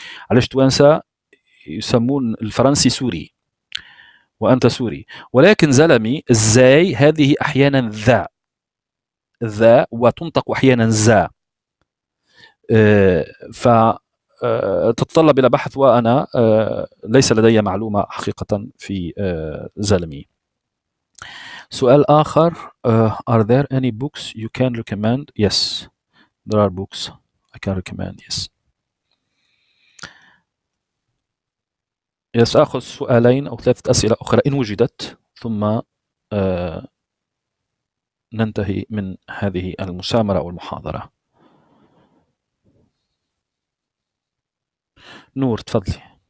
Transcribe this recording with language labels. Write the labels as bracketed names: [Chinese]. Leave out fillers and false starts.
[Arabic] علاش توانسة يسمون الفرنسي سوري وأنت سوري؟ ولكن زلمي زاي هذه أحيانا ذا وتنطق أحيانا زا، فتتطلب إلى بحث، وأنا ليس لدي معلومة حقيقة في زلمي. سؤال آخر. [English] Are there any books you can recommend? Yes, there are books I can recommend. Yes. [Arabic] سأخذ سؤالين أو ثلاثة أسئلة أخرى إن وجدت، ثم ننتهي من هذه المسامرة أو المحاضرة. نور تفضلي.